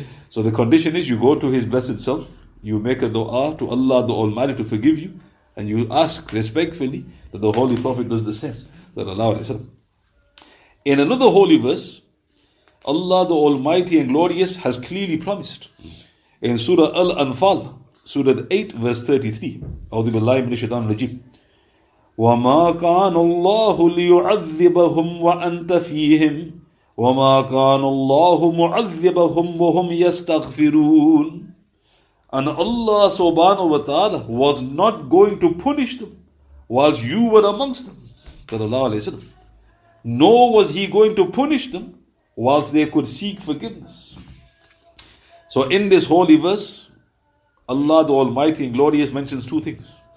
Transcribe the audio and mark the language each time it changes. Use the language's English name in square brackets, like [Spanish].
[English] So the condition is you go to his blessed self, you make a dua to Allah the Almighty to forgive you, and you ask respectfully that the Holy Prophet does the same, sallallahu alayhi wa sallam. In another holy verse, Allah the Almighty and Glorious has clearly promised. In Surah Al-Anfal, Surah 8, verse 33, [Arabic] أَوْذِ بِاللَّهِ مِنَ الشَّيْطَانِ الرَّجِيمِ وَمَا كَانَ اللَّهُ لِيُعَذِّبَهُمْ وَأَنْتَ فِيهِمْ وَمَا كَانَ اللَّهُ مُعَذِّبَهُمْ وَهُمْ يَسْتَغْفِرُونَ. [English] And Allah subhanahu wa ta'ala was not going to punish them whilst you were amongst them, sallallahu alayhi wa sallam. Nor was he going to punish them whilst they could seek forgiveness. So in this holy verse, Allah the Almighty and Glorious mentions two things.